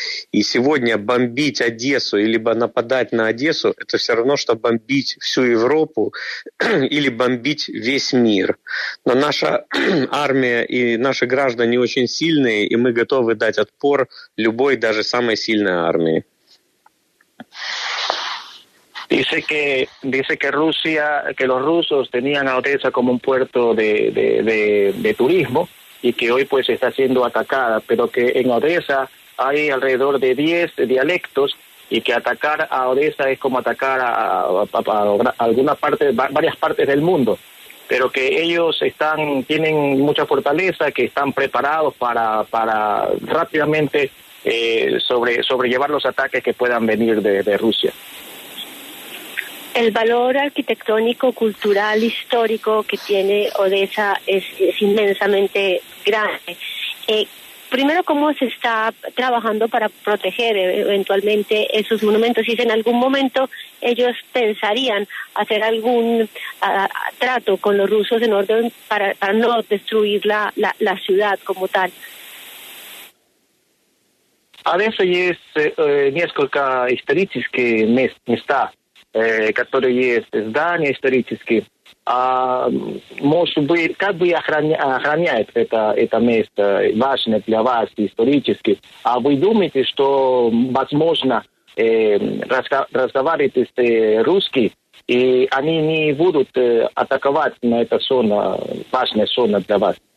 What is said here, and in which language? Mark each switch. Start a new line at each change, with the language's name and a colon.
Russian: И сегодня бомбить Одессу или нападать на Одессу – это все равно, что бомбить всю Европу или бомбить весь мир. Но наша армия и наши граждане очень сильные, и мы готовы дать отпор любой, даже самой сильной армии.
Spanish: Dice que Rusia, que los rusos tenían a Odessa como un puerto de turismo y que hoy pues está siendo atacada, pero que en Odessa hay alrededor de 10 dialectos y que atacar a Odessa es como atacar a alguna parte, varias partes del mundo, pero que ellos tienen mucha fortaleza, que están preparados para rápidamente sobrellevar los ataques que puedan venir de Rusia. El valor arquitectónico, cultural, histórico que tiene Odessa es inmensamente grande. Primero, ¿cómo se está trabajando para proteger eventualmente esos monumentos? Si en algún momento ellos pensarían hacer algún trato con los rusos en orden para no destruir la ciudad como tal.
Russian: Odessa es несколько исторических мест. Которые есть здания исторические, может быть, как вы охраняете это место, важное для вас исторически, а вы думаете, что, возможно, разговариваете с русскими, и они не будут атаковать на эту зону, важную зону для вас?